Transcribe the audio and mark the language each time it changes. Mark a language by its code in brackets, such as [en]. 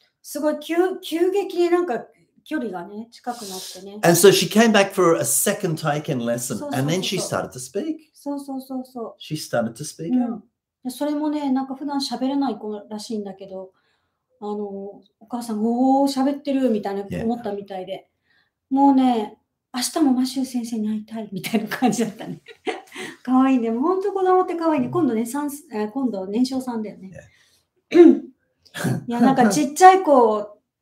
[ja] すごい急激になんか距離がね近くなってね。 [en] And so she came back for a second Taiken lesson, and then she started to speak. [ja] そう。 [en] She started to speak. [ja] それもねなんか普段喋れない子らしいんだけど、お母さんおお喋ってるみたいな思ったみたいで、もうね明日もマシュー先生に会いたいみたいな感じだったね。可愛いね、もう本当子供って可愛いね。今度ね今度年少さんだよね。いやなんかちっちゃい子